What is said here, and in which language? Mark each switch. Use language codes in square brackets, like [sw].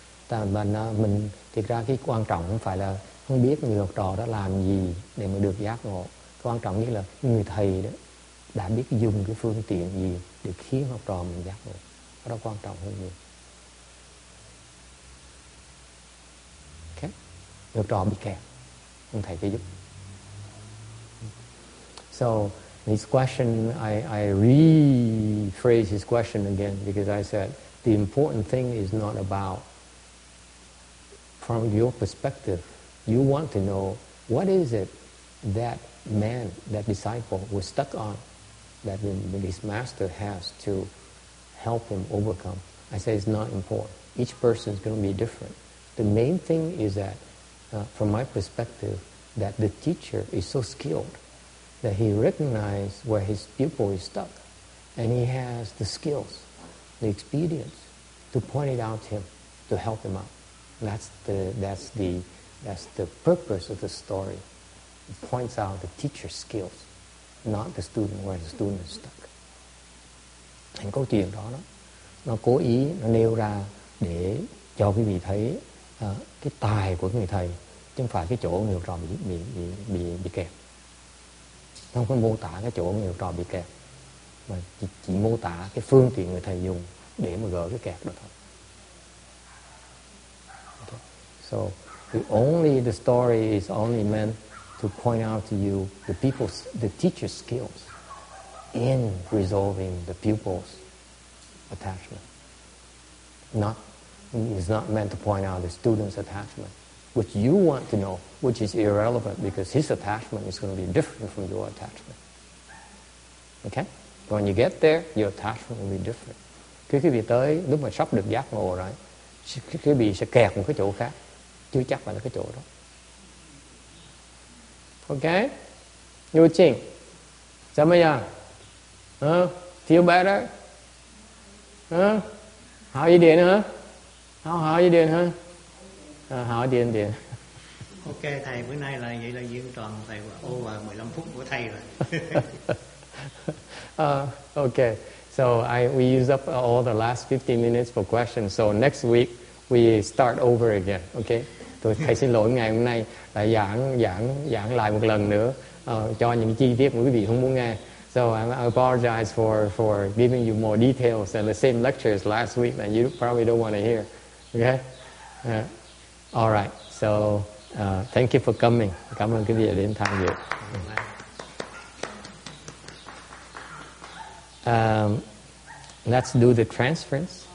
[vi] Mình thiệt ra cái quan trọng không phải là không biết người học trò đó làm gì để mà được giác ngộ, quan trọng nhất là người thầy đó đã biết dùng cái phương tiện gì để khiến học trò mình giác ngộ, đó quan trọng hơn nhiều. Okay. Học trò bị kẹt, ông thầy phải giúp. [en] So his question, I rephrase his question again, because I said the important thing is not about, from your perspective, you want to know what is it that man, that disciple was stuck on, that his master has to help him overcome. I say it's not important. Each person is going to be different. The main thing is that, from my perspective, that the teacher is so skilled that he recognizes where his pupil is stuck, and he has the skills, the experience, to point it out to him, to help him out. That's the purpose of the story. It points out the teacher's skills, not the student, where the student is stuck. [vi] Thành câu chuyện đó, nó cố ý nó nêu ra để cho quý vị thấy cái tài của người thầy, chứ không phải cái chỗ người học trò bị kẹt. Nó không có mô tả cái chỗ người học trò bị kẹt, mà chỉ mô tả cái phương tiện người thầy dùng để mà gỡ cái kẹt đó thôi. [en] So the story is only meant to point out to you the people's, the teacher's skills in resolving the pupil's attachment. It's not meant to point out the student's attachment, which you want to know, which is irrelevant because his attachment is going to be different from your attachment. Okay? When you get there, your attachment will be different. [vi] Khi quý vị tới lúc mà sắp được giác ngộ rồi, quý vị sẽ kẹt một cái chỗ khác, chưa chắc phải là cái chỗ đó. Ok? Như Trinh, sao bây giờ? [en] Feel better? How you doing, huh? How you doing, huh? How you doing? [vi] Ok, thầy, bữa nay là vậy là diễn toàn thầy over 15 phút của thầy rồi. [en] Ok, so we use up all the last 15 minutes for questions, so next week we start over again, ok? [vi] Thầy xin lỗi ngày hôm nay là giảng lại một lần nữa cho những chi tiết mà quý vị không muốn nghe. [en] So I apologize for giving you more details and the same lectures last week that you probably don't want to hear. Okay? All right. So thank you for coming. [vi] Cảm ơn quý vị đã đến tham dự. [en] Let's do the transference.